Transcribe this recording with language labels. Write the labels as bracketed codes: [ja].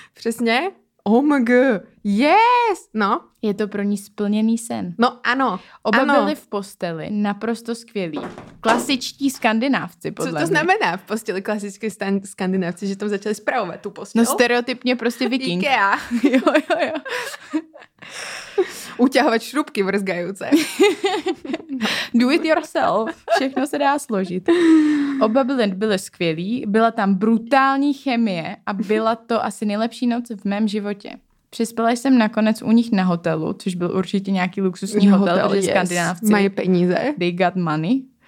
[cs] Přesně. [en] Oh my god. Yes. No. [cs] Je to pro ní splněný sen. No ano. Oba byli v posteli, naprosto skvělí. Klasičtí skandinávci, podle mě. Co to znamená v posteli klasičtí skandinávci, že tam začali spravovat tu postel? No stereotypně prostě viking. IKEA. Jo. Utěhovat šrubky vrzgajúce. [en] Do it yourself. [cs] Všechno se dá složit. Oba byly skvělí, byla tam brutální chemie a byla to asi nejlepší noc v mém životě. Přespala jsem nakonec u nich na hotelu, což byl určitě nějaký luxusní hotel, protože skandinávci mají peníze. [en] They got money.